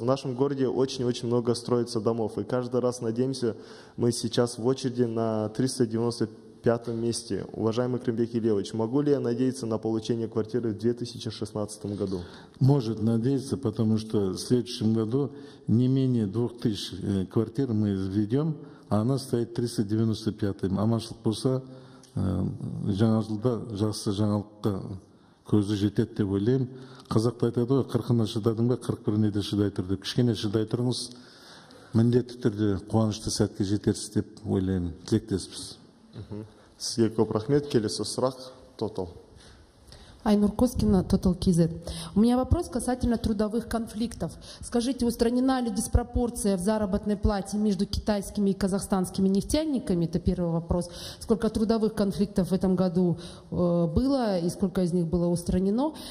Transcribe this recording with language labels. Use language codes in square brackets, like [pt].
[ru] В нашем городе очень-очень много строится домов. И каждый раз надеемся, мы сейчас в очереди на 395 месте. Уважаемый Крымбек Елеевич, могу ли я надеяться на получение квартиры в 2016 году? Может надеяться, потому что в следующем году не менее 2000 квартир мы введем, а она стоит 395. [kk] Амашлык болса, жаңалыкта жақсы жаңалыққа көзі жетеді деп ойлаймын. Қазақта айтады ғой, 40-ына шыдадың ба, 41-ге де шыдай тұр деп. Кішкене шыдай тұрыңыз, міндетті түрде қуанышты сәтке жетерсіз деп ойлаймын. Тілектеспіз. Сізге көп рахмет. Келесі сұрақ. Тотал. [ru] Айнур Коскина, Total KZ. У меня вопрос касательно трудовых конфликтов. Скажите, устранена ли диспропорция в заработной плате между китайскими и казахстанскими нефтяниками? Это первый вопрос. Сколько трудовых конфликтов в этом году было и сколько из них было устранено?